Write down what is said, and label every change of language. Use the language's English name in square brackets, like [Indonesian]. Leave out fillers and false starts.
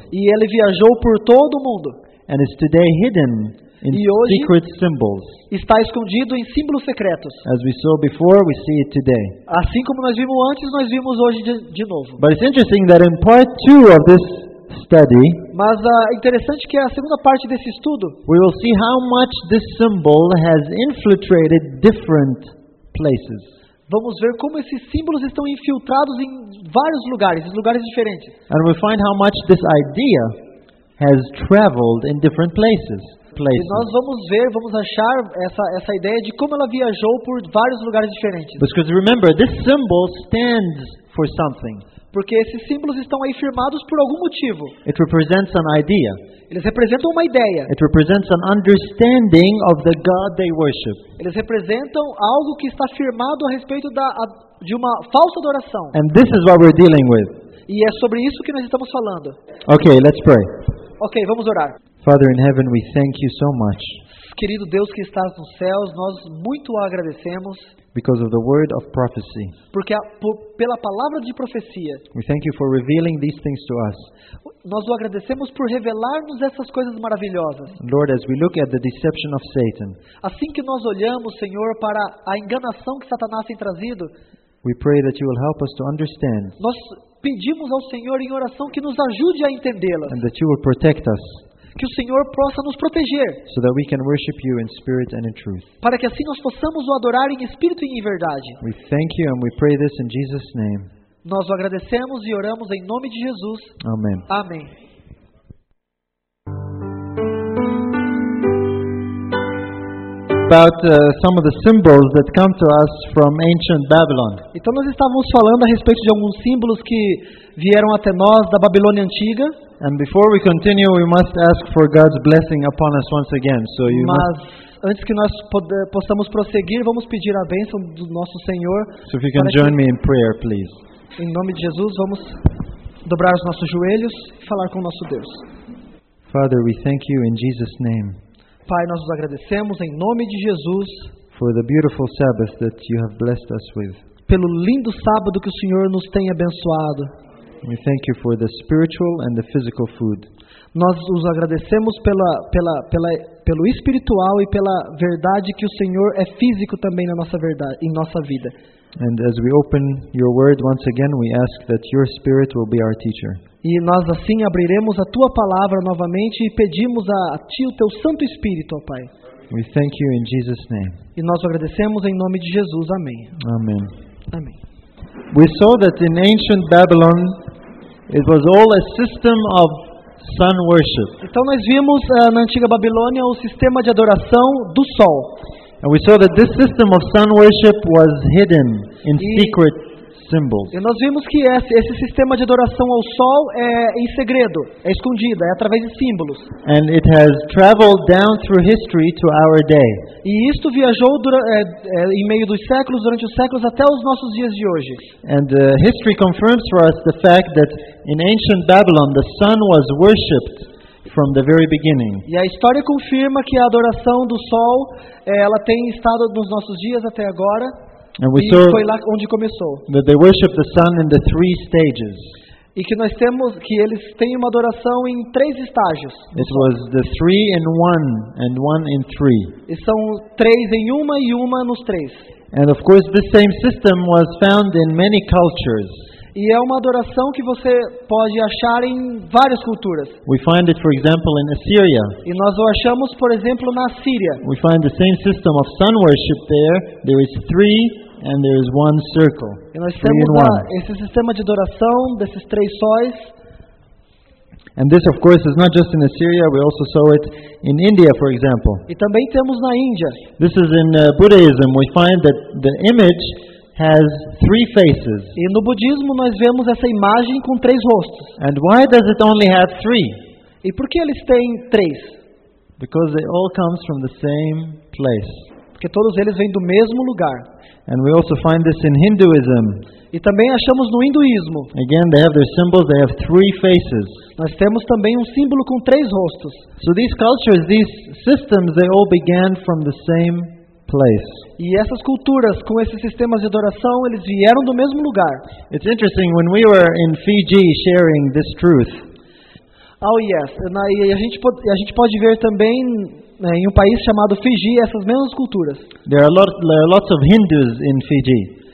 [Portuguese] E ele viajou por todo o mundo. [English] And is today hidden in [Portuguese] e hoje [English] secret symbols. [Portuguese] Está escondido em símbolos secretos. [English] As we saw before, we see it today. [Portuguese] Assim como nós vimos antes, nós vimos hoje de novo. [English] But it's interesting that in part two of this study, [Portuguese] mas é interessante que é a segunda parte desse estudo. [English] We will see how much this symbol has infiltrated different places. [Portuguese] Vamos ver como esses símbolos estão infiltrados em vários lugares, em lugares diferentes. [English] And we'll find how much this idea has traveled in different places. [Portuguese] E nós vamos ver, vamos achar essa ideia de como ela viajou por vários lugares diferentes. [English] Because remember, this symbol stands for something. [Portuguese] Porque esses símbolos estão aí firmados por algum motivo. [English] It represents an idea. [Portuguese] Eles representam uma ideia. [English] It represents an understanding of the God they worship. [Portuguese] Eles representam algo que está firmado a respeito de uma falsa adoração. [English] And this is what we're dealing with. [Portuguese] E é sobre isso que nós estamos falando. [English] Okay, let's pray. [Portuguese] Okay, vamos orar. [English] Father in heaven, we thank you so much. [Portuguese] Querido Deus que estás nos céus, nós muito agradecemos. [English] Because of the word of prophecy. [Portuguese] Porque pela palavra de profecia. [English] We thank you for revealing these things to us. [Portuguese] Nós o agradecemos por revelar-nos essas coisas maravilhosas. [English] Lord, as we look at the deception of Satan. [Portuguese] Assim que nós olhamos, Senhor, para a enganação que Satanás tem trazido, [English] We pray that you will help us to understand. [Portuguese] Nós pedimos ao Senhor em oração que nos ajude a entendê-las. [English] And that you will protect us. [Portuguese] Que o Senhor possa nos proteger. [English] So that we can worship you in spirit and in truth. [Portuguese] Para que assim nós possamos o adorar em espírito e em verdade. [English] We thank you and we pray this in Jesus' name. [Portuguese] Nós o agradecemos e oramos em nome de Jesus. Amém. Amém. [English] About some of the symbols that come to us from ancient Babylon. [Portuguese] Então nós estávamos falando a respeito de alguns símbolos que vieram até nós da Babilônia antiga. [English] And before we continue, we must ask for God's blessing upon us once again. So you [Portuguese] Mas [English] must... [Portuguese] antes que nós possamos prosseguir, vamos pedir a bênção do nosso Senhor. [English] So if you can join me in prayer, please. [Portuguese] Em nome de Jesus, vamos dobrar os nossos joelhos e falar com o nosso Deus. [English] Father, we thank you in Jesus' name. [Portuguese] Pai, nós os agradecemos em nome de Jesus. [English] For the beautiful Sabbath that you have blessed us with. [Portuguese] Pelo lindo sábado que o Senhor nos tem abençoado. [English] We thank you for the spiritual and the physical food. [Portuguese] Nós os agradecemos pelo espiritual e pela verdade que o Senhor é físico também na nossa verdade, em nossa vida. [English] And as we open your word once again, we ask that your spirit will be our teacher. [Portuguese] E nós assim abriremos a tua palavra novamente e pedimos a ti o teu Santo Espírito, ó Pai. [English] We thank you in Jesus' name. [Portuguese] E nós agradecemos em nome de Jesus. Amém. [English] Amen. [Portuguese] Amém. [English] We saw that in ancient Babylon it was all a system of sun worship. [Portuguese] Então nós vimos na antiga Babilônia o sistema de adoração do sol. [English] And we saw that this system of sun worship was hidden in secret symbols. [Portuguese] E nós vimos que esse sistema de adoração ao sol é em segredo, é escondido, é através de símbolos. [English] And it has traveled down through history to our day. [Portuguese] E isto viajou em meio dos séculos, durante os séculos até os nossos dias de hoje. [English] And history confirms for us the fact that in ancient Babylon the sun was worshipped from the very beginning. [Portuguese] E a história confirma que a adoração do sol, ela tem estado nos nossos dias até agora. [English] And we [Portuguese] e [English] saw [Portuguese] foi lá onde começou. [English] That they worship the sun in the three stages. [Portuguese] E que nós temos que eles têm uma adoração em três estágios. [English] It was the three in one and one in three. [Portuguese] E são três em uma e uma nos três. [English] And of course this same system was found in many cultures. [Portuguese] E é uma adoração que você pode achar em várias culturas. [English] We find it, for example, in Assyria. [Portuguese] E nós o achamos, por exemplo, na Assíria. [English] We find the same system of sun worship there. There is three and there is one circle. [Portuguese] E nós temos esse sistema de adoração desses três sóis. [English] And this, of course, is not just in Assyria. We also saw it in India, for example. [Portuguese] E também temos na Índia. [English] This is in Buddhism. We find that the image has three faces. [Portuguese] E no budismo nós vemos essa imagem com três rostos. [English] And why does it only have three? [Portuguese] E por que eles têm três? [English] Because they all comes from the same place. [Portuguese] Porque todos eles vêm do mesmo lugar. [English] And we also find this in Hinduism. [Portuguese] E também achamos no hinduísmo. [English] Again, they have their symbols, they have three faces. [Portuguese] Nós temos também um símbolo com três rostos. [English] So these cultures, these systems, they all began from the same place. [Portuguese] E essas culturas com esses sistemas de adoração, eles vieram do mesmo lugar. [English] It's interesting when we were in Fiji sharing this truth. Oh yes, [Portuguese] a gente pode ver também em um país chamado Fiji essas mesmas culturas. [English] There are lots of Hindus in Fiji.